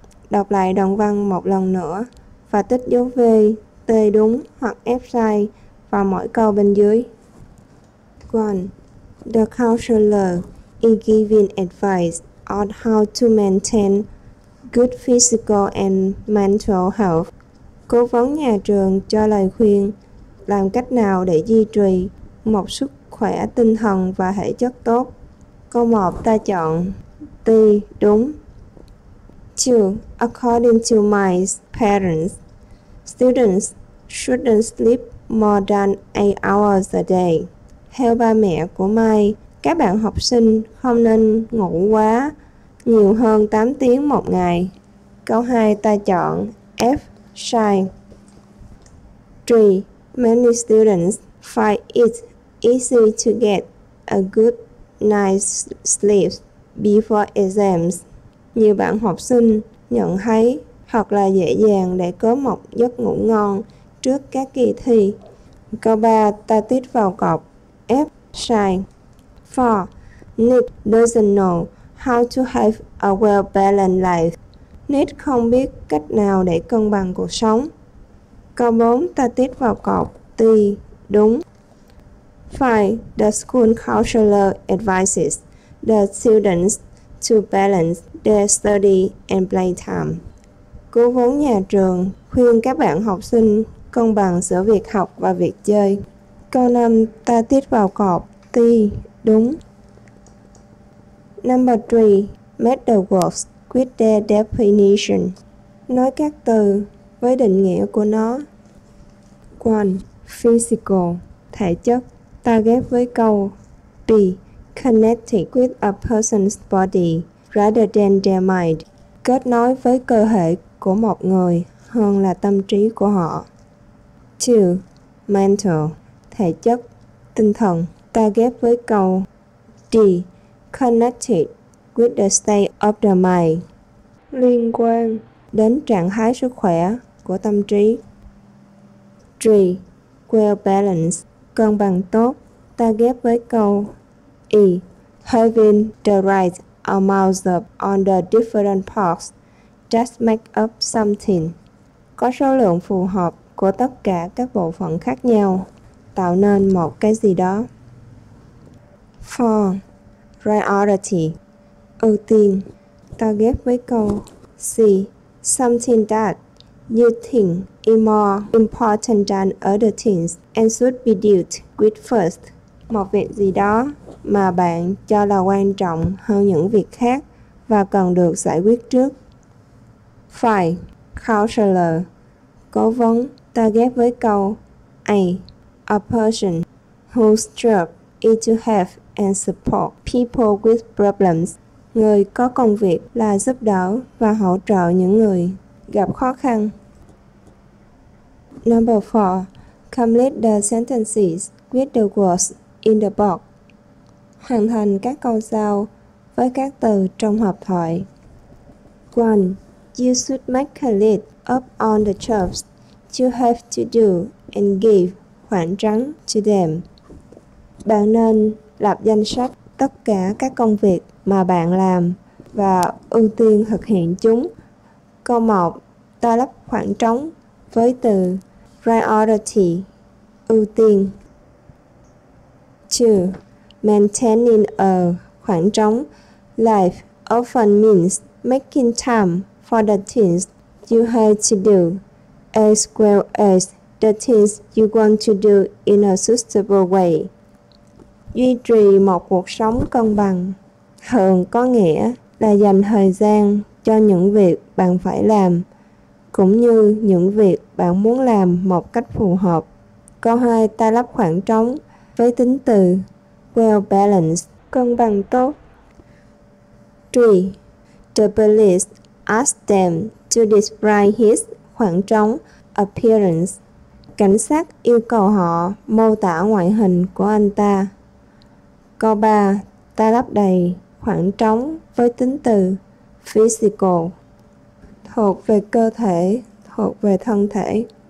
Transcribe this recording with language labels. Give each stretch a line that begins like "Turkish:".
Vietnamese: Đọc lại đoạn văn một lần nữa và tích dấu về T đúng hoặc F sai vào mỗi câu bên dưới. 1.
English: The counselor is giving advice on how to maintain good physical and mental health.
Vietnamese: Cố vấn nhà trường cho lời khuyên làm cách nào để duy trì một sức khỏe tinh thần và thể chất tốt. Câu 1 ta chọn T đúng. 2.
English: According to my parents, students shouldn't sleep more than 8 hours a day.
Vietnamese: Theo ba mẹ của Mai, các bạn học sinh không nên ngủ quá nhiều hơn 8 tiếng một ngày. Câu 2 ta chọn F sai. 3.
English: Many students find it easy to get a good night's sleep before exams.
Vietnamese: Nhiều bạn học sinh nhận thấy hoặc là dễ dàng để có một giấc ngủ ngon trước các kỳ thi. Câu 3 ta tích vào cọc F sai. 4.
English: Nick doesn't know how to have a well-balanced life.
Vietnamese: Nick không biết cách nào để cân bằng cuộc sống. Câu 4 ta tích vào cọc T đúng. 5.
English: The school counselor advises the students to balance their study and playtime.
Vietnamese: Cố vấn nhà trường khuyên các bạn học sinh cân bằng giữa việc học và việc chơi. Câu 5 ta tích vào cọc T đúng.
English: Number 3, make the words with their definition.
Vietnamese: Nói các từ với định nghĩa của nó. 1. Physical, thể chất. Ta ghép với câu B.
English: Connected with a person's body rather than their mind.
Vietnamese: Kết nối với cơ thể của một người hơn là tâm trí của họ. 2. Mental, thể chất, tinh thần. Ta ghép với câu D.
English: Connected with the state of the mind.
Vietnamese: Liên quan đến trạng thái sức khỏe của tâm trí. 3. Well balanced, cân bằng tốt. Ta ghép với câu E.
English: Having the right amount of on the different parts just make up something.
Vietnamese: Có số lượng phù hợp của tất cả các bộ phận khác nhau tạo nên một cái gì đó. 4. Priority, ưu tiên. Ta ghép với câu C.
English: Something that you think is more important than other things and should be dealt with first.
Vietnamese: Một việc gì đó mà bạn cho là quan trọng hơn những việc khác và cần được giải quyết trước. 5. Counselor, cố vấn. Ta ghép với câu
English: A person whose job is to help and support people with problems.
Vietnamese: Người có công việc là giúp đỡ và hỗ trợ những người gặp khó khăn.
English: Number 4. Complete the sentences with the words in the box.
Vietnamese: Hoàn thành các câu sau với các từ trong hộp thoại. 1.
English: You should make a list of all the jobs you have to do and give
Vietnamese: khoảng trắng
English: to them.
Vietnamese: Bạn nên lập danh sách tất cả các công việc mà bạn làm và ưu tiên thực hiện chúng. Câu 1, ta lắp khoảng trống với từ priority, ưu tiên. 2.
English: Maintaining a
Vietnamese: khoảng trống
English: life often means making time for the things you have to do as well as the things you want to do in a suitable way.
Vietnamese: Duy trì một cuộc sống cân bằng. Hưởng có nghĩa là dành thời gian cho những việc bạn phải làm, cũng như những việc bạn muốn làm một cách phù hợp. Câu 2, ta lắp khoảng trống với tính từ well balanced, cân bằng tốt. 3.
English: The police asked them to describe his
Vietnamese: khoảng trống
English: appearance.
Vietnamese: Cảnh sát yêu cầu họ mô tả ngoại hình của anh ta. Câu 3, ta lắp đầy khoảng trống với tính từ physical, thuộc về cơ thể, thuộc về thân thể.